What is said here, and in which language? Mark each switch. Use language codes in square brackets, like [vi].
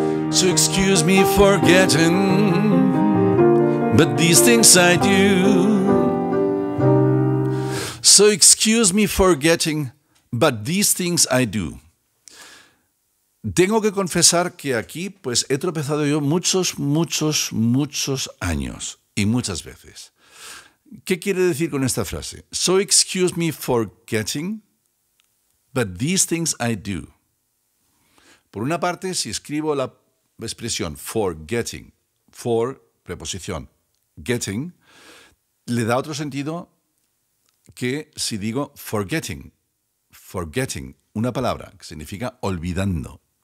[en] So excuse me for getting, but these things I do. So excuse me for getting, but these things I do. [es] Tengo que confesar que aquí pues he tropezado yo muchos años y muchas veces. ¿Qué quiere decir con esta frase? [en] So excuse me for getting, but these things I do. [es] Por una parte, si escribo la expresión for getting, for, preposición, getting, le da otro sentido que si digo forgetting, forgetting, una palabra que significa olvidando.